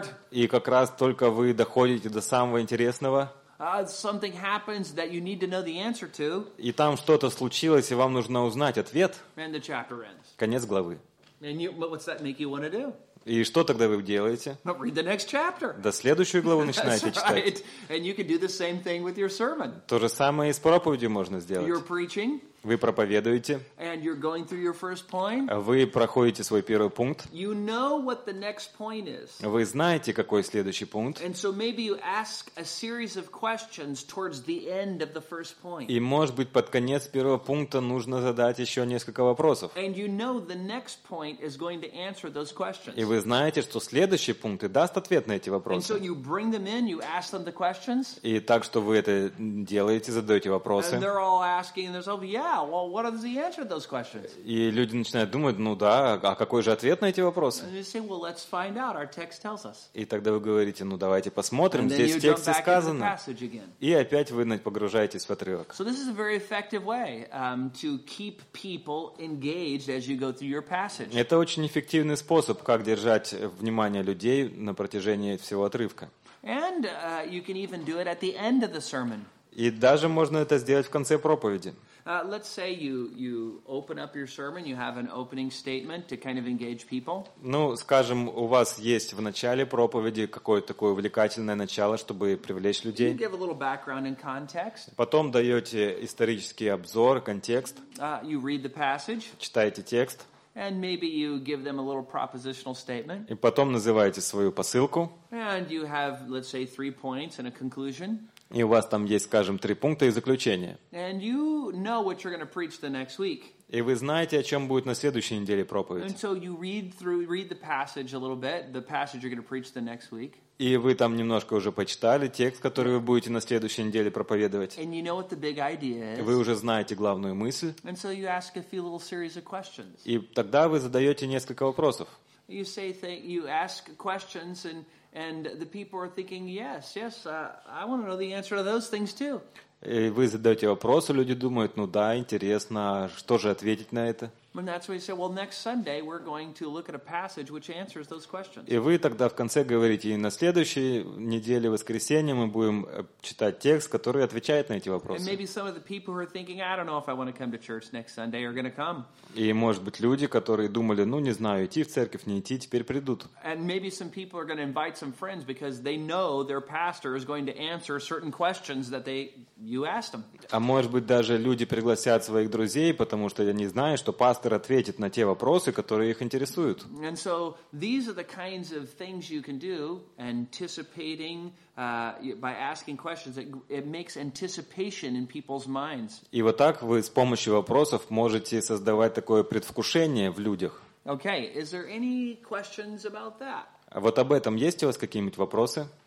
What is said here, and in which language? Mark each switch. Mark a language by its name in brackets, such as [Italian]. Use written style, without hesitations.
[Russian] И как раз только вы доходите до самого интересного. [English] Something happens that you need to know the answer to. [Russian] И там что-то случилось, и вам нужно узнать ответ. [English] And the chapter ends. [Russian] Конец главы. [English] And you, but what's that make you want to do? [Russian] И что тогда вы делаете? [English] Read the next chapter. [Russian] До следующую главу начинаете читать. [English] Right. And you can do the same thing with your sermon. [Russian] То же самое и с проповедью можно сделать. [English] You're preaching. [Russian] Вы проповедуете. [English] And you're going through your first point. [Russian] Вы проходите свой первый пункт. [English] You know what the next point is. [Russian] Вы знаете, какой следующий пункт. [English] And so maybe you ask a series of questions towards the end of the first point. [Russian] И, может быть, под конец первого пункта нужно задать еще несколько вопросов. [English] And you know the next point is going to answer those questions. [Russian] И вы знаете, что следующий пункт и даст ответ на эти вопросы. [English] And so you bring them in, you ask them the questions. [Russian] И так, что вы это делаете, задаете вопросы. [English] And they're all asking, and they're saying, yeah. Yeah, well, what is the answer to those questions? [Russian] И люди начинают думать, ну да, а какой же ответ на эти вопросы? [English] And you say, well, let's find out. Our text tells us. [Russian] И тогда вы говорите, ну давайте посмотрим, здесь в тексте сказано. И опять вы погружаетесь в отрывок. [English] So this is a very effective way to keep people engaged as you go through your passage. [Russian] Это очень эффективный способ, как держать внимание людей на протяжении всего отрывка. [English] And you can even do it at the end of the sermon. [Russian] И даже можно это сделать в конце проповеди. [English] Let's say you open up your sermon, you have an opening statement to kind of engage people. [Russian] Ну, скажем, у вас есть в начале проповеди какое-то такое увлекательное начало, чтобы привлечь людей. [English] You give a little background and context. [Russian] Потом даете исторический обзор, контекст. [English] You read the passage. [Russian] Читаете текст. [English] And maybe you give them a little propositional statement. [Russian] И потом называете свою посылку. [English] And you have, let's say, 3 points and a conclusion. [Russian] И у вас там есть, скажем, 3 пункта и заключение. [English] And you know what you're going to preach the next week. [Russian] И вы знаете, о чем будет на следующей неделе проповедь. [English] And so you read the passage a little bit, the passage you're going to preach the next week. [Russian] И вы там немножко уже почитали текст, который вы будете на следующей неделе проповедовать. [English] And you know what the big idea is. [Russian] Вы уже знаете главную мысль. [English] And so you ask a few little series of questions. [Russian] И тогда вы задаете несколько вопросов. [English] You say you ask questions and the people are thinking, yes, I want to know the answer to those things too. [Russian] И вы задаете вопросы, люди думают, ну да, интересно, что же ответить на это? [English] And that's why you say, well, next Sunday we're going to look at a passage which answers those questions. [Russian] И вы тогда в конце говорите, и на следующей неделе, в воскресенье, мы будем читать текст, который отвечает на эти вопросы. [English] And maybe some of the people who are thinking, I don't know if I want to come to church next Sunday, are going to come. [Russian] И может быть люди, которые думали, ну не знаю, идти в церковь, не идти, теперь придут. [English] And maybe some people are going to invite some friends because they know their pastor is going to answer certain questions that they you asked them. [Russian] А может быть даже люди пригласят своих друзей, потому что они знают, что пастор ответит на те вопросы, которые их интересуют. [English] And so these are the kinds of things you can do, anticipating by asking questions. It makes anticipation in people's minds. [Russian] И вот так вы с помощью вопросов можете создавать такое предвкушение в людях. [English] Okay, is there any questions about that? [Russian] А вот об этом есть у вас какие-нибудь вопросы?